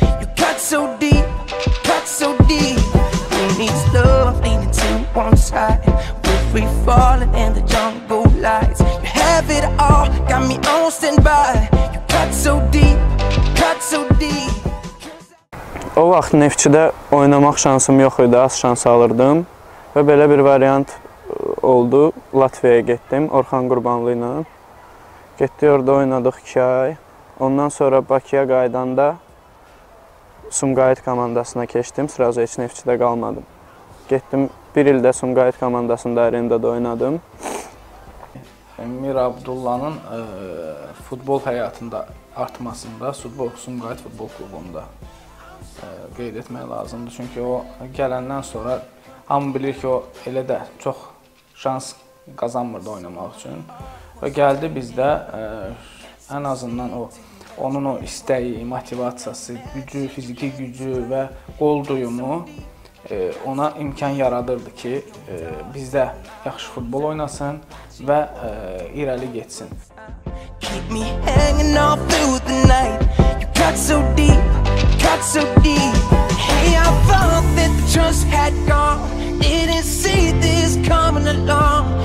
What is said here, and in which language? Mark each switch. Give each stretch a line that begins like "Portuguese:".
English: You cut so deep, cut so deep. Who needs love leaning to one side? We're free falling in the jungle lights. You have it all, got me on standby. You cut so deep, cut so deep.
Azerbaijani: O vaxt Neftçidə oynamaq şansım yox idi, az şans alırdım. Və belə bir variant oldu, Latviyaya getdim, Orxan Qurbanlı ilə. Getdi, orada oynadıq 2 ay. Ondan sonra Bakıya qayıdanda Sumqayıt komandasına keçdim, sırası heç Neftçidə qalmadım. Getdim, bir ildə Sumqayıt komandasında arendada oynadım. Mir Abdullanın futbol həyatında artmasında Sumqayıt futbol klubunda qeyd etmək lazımdır. Çünki o gələndən sonra hamı bilir ki, o elə də çox şans qazanmırdı oynamaq üçün. Və gəldi bizdə ən azından o onun o istəyi, motivasiyası, gücü, fiziki gücü və qol duyumu ona imkan yaradırdı ki, bizdə yaxşı futbol oynasın və irəli getsin.
English: Keep me hanging on through the night. You cut so deep, cut so deep. Hey, I thought that the trust had gone. Didn't see this coming along.